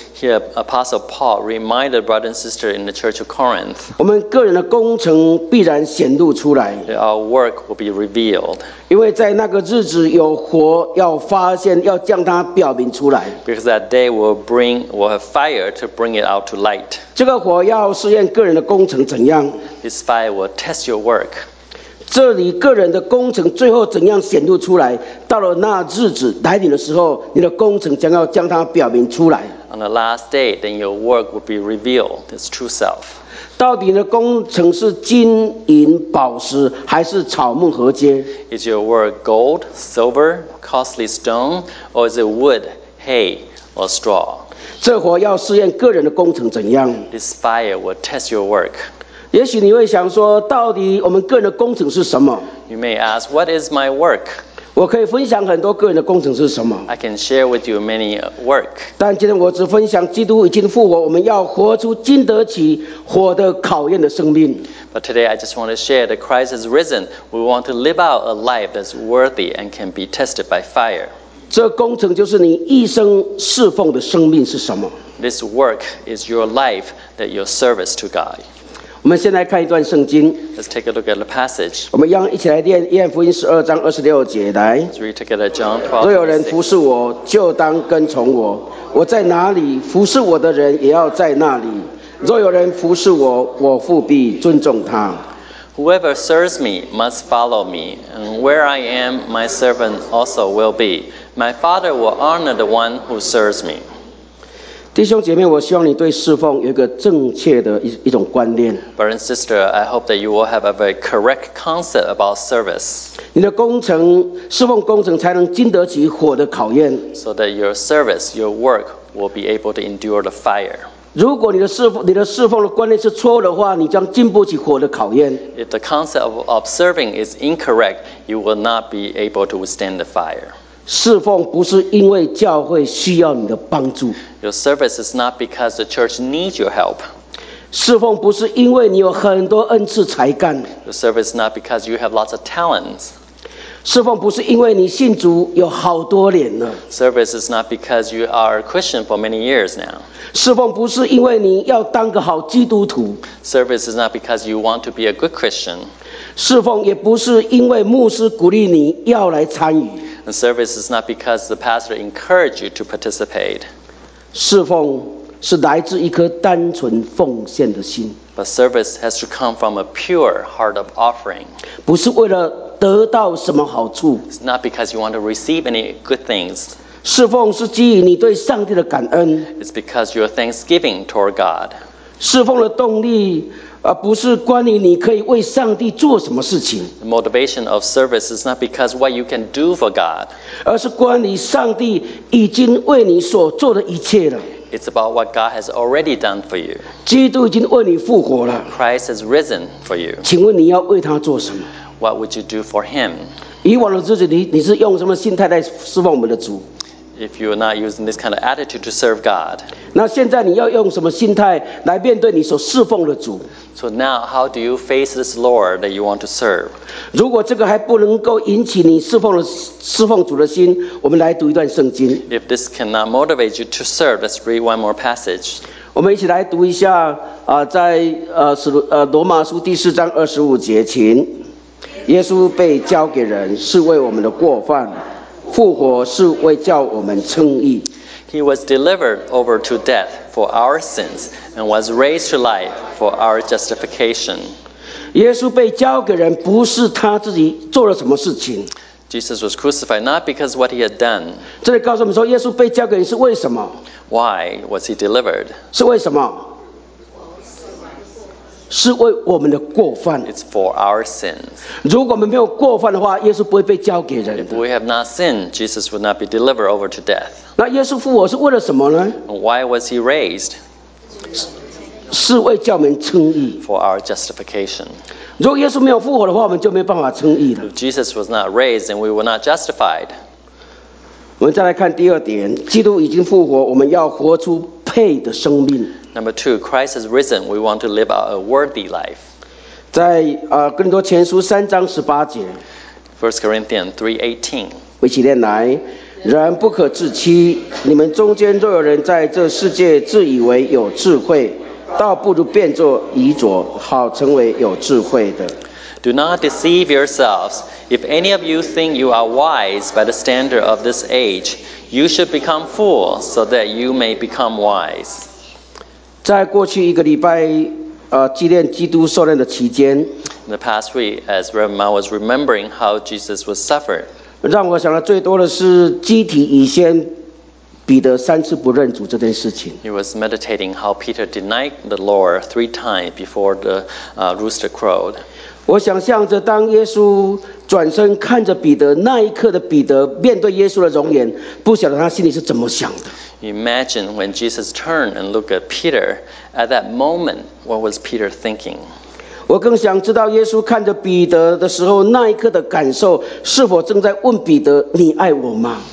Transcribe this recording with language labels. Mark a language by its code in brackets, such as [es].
[en] Here, Apostle Paul reminded brothers and sisters in the church of Corinth. [zh] 我们个人的工程必然显露出来。 [en] Our work will be revealed. [zh] 因为在那个日子有火要发现，要将它表明出来。 [en] Because that day will have fire to bring it out to light. [zh] 这个火要试验个人的工程怎样。 [en] This fire will test your work. [zh] 这里个人的工程最后怎样显露出来，到了那日子来临的时候，你的工程将要将它表明出来。 [en] On the last day, then your work will be revealed, its true self. [zh] 到底你的工程是金银宝石还是草木合金？ [en] Is your work gold, silver, costly stone, or is it wood, hay, or straw? [zh] 这火要试验个人的工程怎样。 [en] This fire will test your work. [zh] 也许你会想说，到底我们个人的工程是什么？ [en] You may ask, what is my work? [zh] 我可以分享很多个人的工程是什么。 [en] I can share with you many work. [zh] 但今天我只分享基督已经复活，我们要活出经得起火的考验的生命。 [en] But today I just want to share that Christ has risen. We want to live out a life that's worthy and can be tested by fire. [zh] 这工程就是你一生侍奉的生命是什么？ [en] This work is your life, that your service to God. [zh] 我们先来看一段圣经。 [en] Let's take a look at the passage. [zh] 我们一起来念约翰福音十二章二十六节来。 [en] Let's read together John 12. [zh] 若有人服侍我，就当跟从我。我在哪里，服侍我的人也要在那里。若有人服侍我，我父必尊重他。 [en] Whoever serves me must follow me, and where I am, my servant also will be. My Father will honor the one who serves me. [zh] 弟兄姐妹，我希望你对侍奉有一个正确的一种观念。 [en] Brother and sister, I hope that you will have a very correct concept about service. [zh] 你的工程，侍奉工程才能经得起火的考验。 [en] So that your service, your work, will be able to endure the fire. [zh] 如果你的侍奉的观念是错的话，你将经不起火的考验。 [en] If the concept of serving is incorrect, you will not be able to withstand the fire. [zh] 侍奉不是因为教会需要你的帮助。 [en] Your service is not because the church needs your help. [zh] 侍奉不是因为你有很多恩赐才干。 [en] Your service is not because you have lots of talents. [zh] 侍奉不是因为你信主有好多年了。 [en] Service is not because you are a Christian for many years now. [zh] 侍奉不是因为你要当个好基督徒。 [en] Service is not because you want to be a good Christian. [zh] 侍奉也不是因为牧师鼓励你要来参与。 [en] And service is not because the pastor encouraged you to participate. [zh] 侍奉是来自一颗单纯奉献的心。 [en] But service has to come from a pure heart of offering. [zh] 不是为了得到什么好处。 [en] It's not because you want to receive any good things. [zh] 侍奉是基于你对上帝的感恩。 [en] It's because you're thanksgiving toward God. [zh] 侍奉的动力不是关于你可以为上帝做什么事情。 [en] The motivation of service is not because what you can do for God. [zh] 而是关于上帝已经为你所做的一切了。 [en] It's about what God has already done for you. [zh] 基督已经为你复活了。 [en] Christ has risen for you. [zh] 请问你要为他做什么？ [en] What would you do for him? [zh] 以往的日子你是用什么心态来侍奉我们的主？ [en] If you are not using this kind of attitude to serve God. [zh] 那现在你要用什么心态来面对你所侍奉的主？ [en] So now, how do you face this Lord that you want to serve? [zh] 如果这个还不能够引起你侍奉主的心，我们来读一段圣经。 [en] If this cannot motivate you to serve, let's read one more passage. [zh] 我们一起来读一下在罗马书第四章二十五节，请。耶稣被交给人是为我们的过犯，复活是为叫我们称义。 [en] He was delivered over to death for our sins and was raised to life for our justification. [zh] 耶稣被交给人不是他自己做了什么事情。 [en] Jesus was crucified not because what he had done. [zh] 这里告诉我们说耶稣被交给人是为什么。 [en] Why was he delivered? [zh] 是为什么？是为我们的过犯。 [en] It's for our sins. [zh] 如果我们没有过犯的话，耶稣不会被交给人的。 [en] If we have not sinned, Jesus would not be delivered over to death. [zh] 那耶稣复活是为了什么呢？ [en] Why was he raised? [zh] 是为叫我们称义。 [en] For our justification. [zh] 如果耶稣没有复活的话，我们就没办法称义了。 [en] If Jesus was not raised, then we were not justified. [zh] 我们再来看第二点，基督已经复活，我们要活出配的生命。 [en] Number two, Christ has risen. We want to live out a worthy life. [zh] 在哥林多前书三章十八节。 [en] First Corinthians 3:18. [zh] 为其念来，人不可自欺。你们中间若有人在这世界自以为有智慧，倒不如变作愚拙，好成为有智慧的。 [en] Do not deceive yourselves. If any of you think you are wise by the standard of this age, you should become fools so that you may become wise. [zh] 在过去一个礼拜纪念基督受难的期间， [en] In the past week, as Reverend Mao was remembering how Jesus was suffered, [zh] 让我想的最多的是基提以先彼得三次不认主这件事情。 [en] He was meditating how Peter denied the Lord three times before the rooster crowed. [zh] 我想象着当耶稣转身看着彼得那一刻的彼得面对耶稣的容颜，不晓得他心里是怎么想的。 [en] Imagine when Jesus turned and looked at Peter. At that moment, what was Peter thinking? [zh] 我更想知道耶稣看着彼得的时候那一刻的感受，是否正在问彼得，你爱我吗？